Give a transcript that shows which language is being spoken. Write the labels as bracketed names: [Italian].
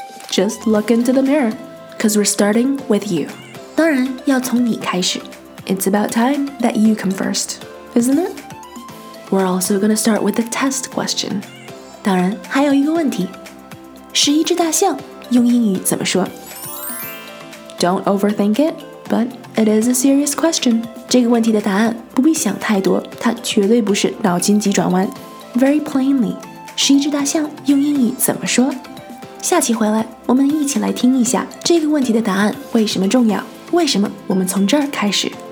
[English] Just look into the mirror, because we're starting with you. [Chinese] 当然要从你开始。 [English] It's about time that you come first, isn't it? We're also going to start with the test question. [Chinese] 当然还有一个问题。十一只大象用英语怎么说? [English] Don't overthink it, but it is a serious question. [Chinese] 这个问题的答案不必想太多,它绝对不是脑筋急转弯。 [English] Very plainly, [Chinese] 十一只大象用英语怎么说？下期回来，我们一起来听一下这个问题的答案为什么重要，为什么我们从这儿开始。